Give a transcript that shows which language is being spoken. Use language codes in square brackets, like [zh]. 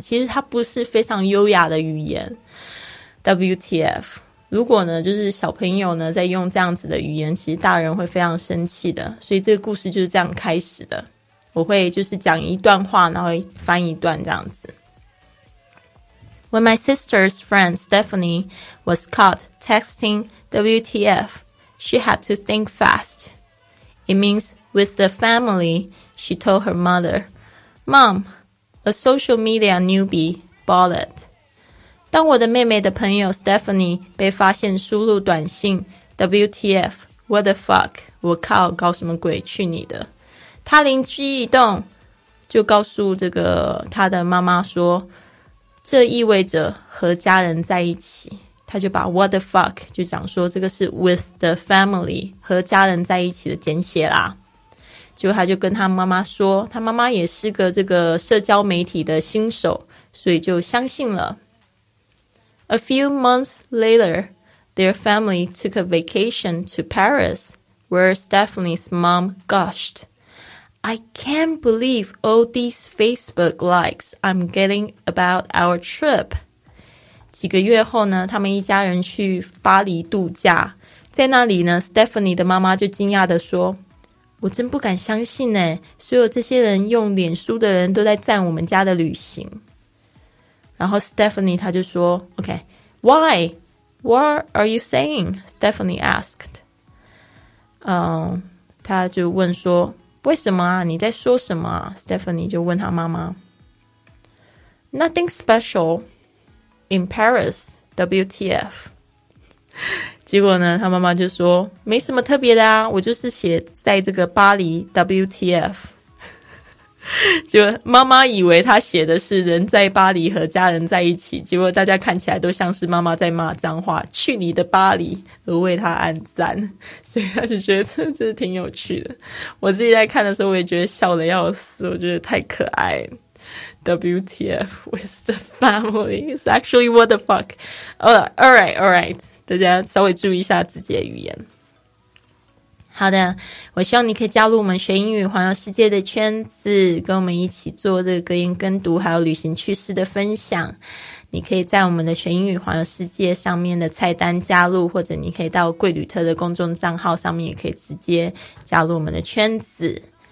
[zh] 其实它不是非常优雅的语言 WTF。如果呢就是小朋友呢在用这样子的语言，其实大人会非常生气的。所以这个故事就是这样开始的，我会就是讲一段话然后翻一段这样子。 [en] When my sister's friend Stephanie was caught texting WTF, she had to think fast. It means with the family, she told her mother, Mom, a social media newbie bought it. [zh] 当我的妹妹的朋友 Stephanie 被发现输入短信 WTF [en] What the fuck， [zh] 我靠，搞什么鬼，去你的，她灵机一动就告诉这个她的妈妈说，这意味着和家人在一起。她就把 [en] What the fuck [zh] 就讲说这个是 [en] with the family， [zh] 和家人在一起的简写啦。结果她就跟她妈妈说，她妈妈也是个这个社交媒体的新手，所以就相信了。 [en] A few months later, their family took a vacation to Paris, where Stephanie's mom gushed. I can't believe all these Facebook likes I'm getting about our trip. [zh] 几个月后呢，他们一家人去巴黎度假，在那里呢 ，Stephanie 的妈妈就惊讶地说：“我真不敢相信呢，所有这些人用脸书的人都在赞我们家的旅行。” 然后 Stephanie 他就说 [en] OK, why? What are you saying? Stephanie asked. [zh] 他就问说为什么啊，你在说什么啊？ Stephanie 就问他妈妈。 [en] Nothing special in Paris, WTF. [zh] 结果呢他妈妈就说没什么特别的啊，我就是写在这个巴黎 WTF. 结果妈妈以为她写的是人在巴黎和家人在一起，结果大家看起来都像是妈妈在骂脏话，去你的巴黎，而为她按赞，所以她就觉得这挺有趣的。我自己在看的时候我也觉得笑得要死，我觉得太可爱。 [en] WTF with the family is actually what the fuck. [zh] Alright, 大家稍微注意一下自己的语言。好的，我希望你可以加入我们学英语环游世界的圈子，跟我们一起做这个格言跟读还有旅行趣事的分享。你可以在我们的学英语环游世界上面的菜单加入，或者你可以到贵旅特的公众账号上面也可以直接加入我们的圈子。